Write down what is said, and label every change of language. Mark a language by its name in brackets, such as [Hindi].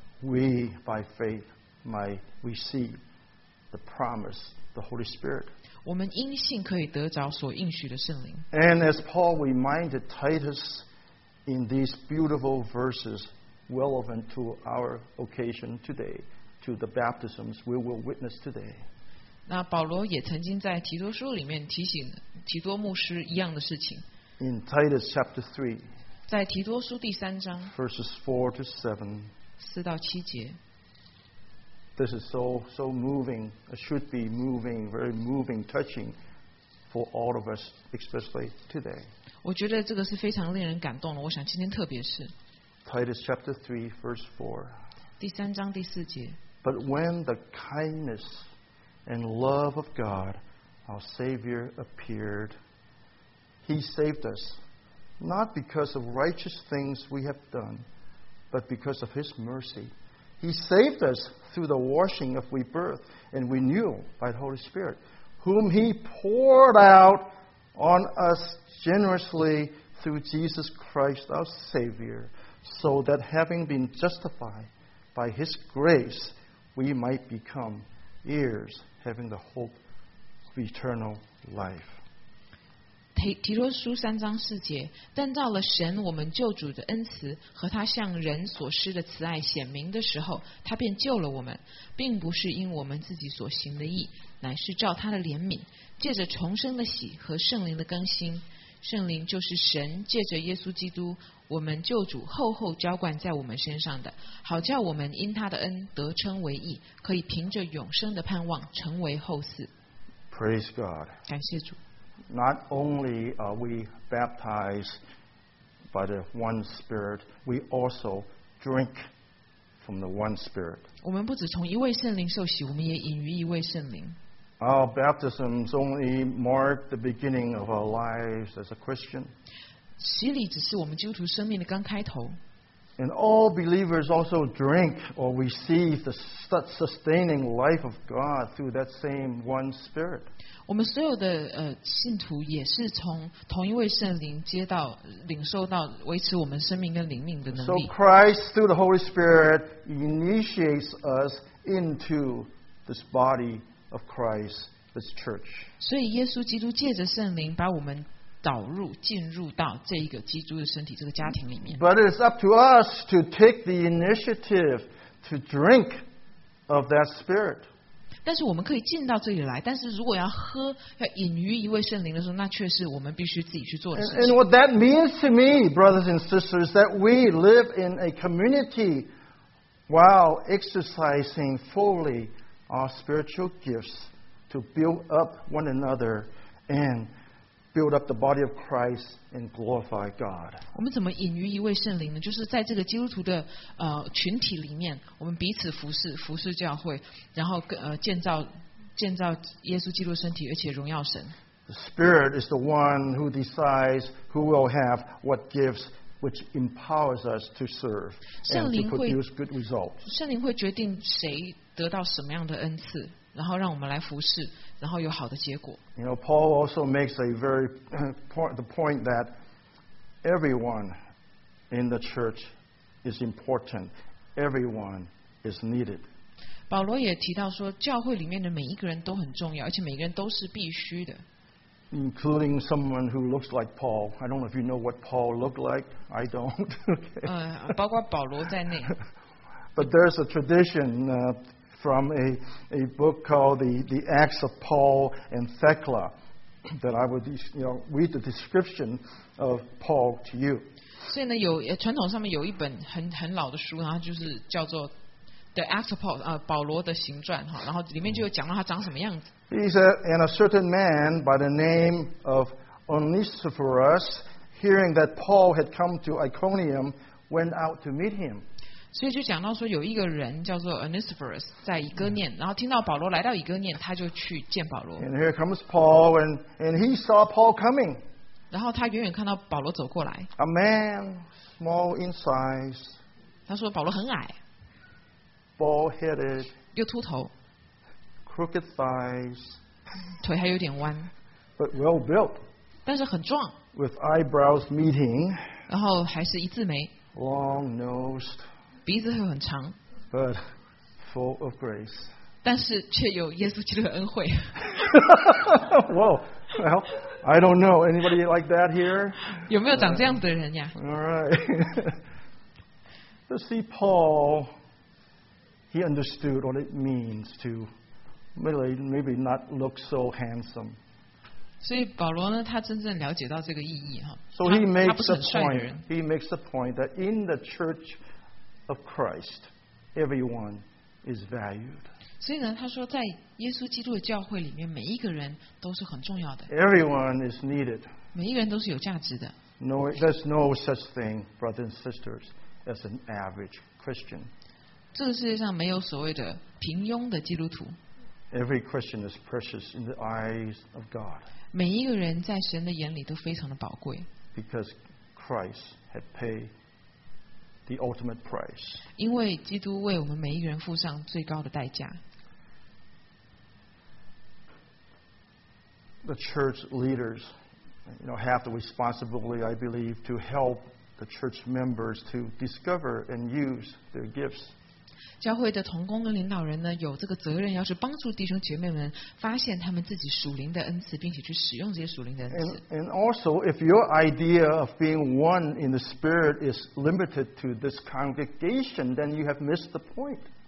[English] We by faith might receive. The promise, the Holy Spirit. [Chinese] 我们因信可以得着所应许的圣灵。 [English] And as Paul reminded Titus in these beautiful verses relevant to our occasion today, to the baptisms we will witness today. [Chinese] 那保罗也曾经在提多书里面提醒提多牧师一样的事情。 [English] In Titus chapter 3, [Chinese] 在提多书第三章 [English] verses 4-7, [Chinese] 四到七节。 [English] This is so moving. It should be moving, very moving, touching for all of us, especially today. [Chinese] 我觉得这个是非常令人感动的。我想今天特别是。 [English] Titus chapter 3, verse 4. [Chinese] 第三章第四节。 [English] But when the kindness and love of God, our Savior, appeared, He saved us, not because of righteous things we have done, but because of His mercy. He saved us through the washing of rebirth and renewal by the Holy Spirit, whom He poured out on us generously through Jesus Christ our Savior, so that having been justified by His grace, we might become heirs, having the hope of eternal life. [Chinese] 提多书三章四节，但到了神我们救主的恩慈和他向人所施的慈爱显明的时候，他便救了我们，并不是因我们自己所行的义，乃是照他的怜悯，借着重生的喜和圣灵的更新。圣灵就是神借着耶稣基督我们救主厚厚浇灌在我们身上的，好叫我们因他的恩得称为义，可以凭着永生的盼望成为后嗣。 [English] Praise God. [Chinese] 感谢主。 [English] Not only are we baptized by the one Spirit, we also drink from the one Spirit. [Chinese] 我们不只从一位圣灵受洗，我们也饮于一位圣灵。 [English] Our baptisms only mark the beginning of our lives as a Christian. [Chinese] 洗礼只是我们基督徒生命的刚开头。 [English] And all believers also drink or receive the sustaining life of God through that same one Spirit. [Chinese] 我们所有的信徒也是从同一位圣灵接到领受到维持我们生命跟灵命的能力。 [English] So Christ through the Holy Spirit initiates us into this body of Christ, this church. [Chinese] 所以耶稣基督借着圣灵把我们导入进入到这一个基督的身体这个家庭里面。 [English] But it's up to us to take the initiative to drink of that spirit. [Chinese] 但是我们可以进到这里来，但是如果要喝要饮于一位圣灵的时候，那却是我们必须自己去做的事情。 [English] And what that means to me, brothers and sisters, that we live in a community while exercising fully our spiritual gifts to build up one another and build up the body of Christ and glorify God. [Chinese] 我们怎么隐于一位圣灵呢？就是在这个基督徒的群体里面，我们彼此服侍，服侍教会，然后建造耶稣基督身体，而且荣耀神。 [English] The Spirit is the one who decides who will have what gifts, which empowers us to serve and to produce good results. [Chinese] 圣灵会决定谁得到什么样的恩赐。然后让我们来服侍，然后有好的结果。 [English] You know, Paul also makes a very the point that everyone in the church is important. Everyone is needed. [Chinese] 保罗也提到说，教会里面的每一个人都很重要，而且每个人都是必须的。 [English] Including someone who looks like Paul. I don't know if you know what Paul looked like. I don't. [Chinese] 包括保罗在内。 [English] But there's a tradition. From a book called the Acts of Paul and Thecla, that I would read the description of Paul to you. [Chinese] 所以呢，有传统上面有一本很老的书，然后就是叫做 The Acts of Paul 保罗的行传哈，然后里面就有讲到他长什么样子。 [English] He's a certain man by the name of Onesiphorus, hearing that Paul had come to Iconium, went out to meet him. [Chinese] 所以就讲到说有一个人叫做 Onesiphorus 在以哥念，然后听到保罗来到以哥念，他就去见保罗。 [English] And here comes Paul, and he saw Paul coming. [Chinese] 然后他远远看到保罗走过来。 [English] A man, small in size. [Chinese] 他说保罗很矮。 [English] Bald headed. [Chinese] 又秃头。 [English] Crooked thighs. [Chinese] 腿还有点弯。 [English] But well built. [Chinese] 但是很壮。 [English] With eyebrows meeting. [Chinese] 然后还是一字眉。 [English] Long nosed. [Chinese] 鼻子会很长 [English] ，but full of grace， [Chinese] 但是却有耶稣基督的恩惠。 [English] Whoa, well, I don't know anybody like that here. [Chinese] 有没有长这样的人呀 [English] ？All right. To see Paul, he understood what it means to really maybe not look so handsome. [Chinese] 所以保罗呢，他真正了解到这个意义哈。 [English] So he makes a point. He makes a point that in the church. Of Christ, everyone is valued. [Chinese] 所以呢，他说在耶稣基督的教会里面，每一个人都是很重要的。 [English] Everyone is needed. [Chinese] 每一个人都是有价值的。 [English] No, there's no such thing, brothers and sisters, as an average Christian. [Chinese] 这个世界上没有所谓的平庸的基督徒。 [English] Every Christian is precious in the eyes of God. [Chinese] 每一个人在神的眼里都非常的宝贵。 [English] Because Christ had paid. The ultimate price. [Chinese] 因为基督为我们每一个人付上最高的代价。 [English] The church leaders, you know, have the responsibility, I believe, to help the church members to discover and use their gifts. [Chinese] 教会的同工跟领导人呢，有这个责任，要是帮助弟兄姐妹们发现他们自己属灵的恩赐，并且去使用这些属灵的恩赐。 [English] And also, if your idea of being one in the Spirit is limited to this congregation, then you have missed the point.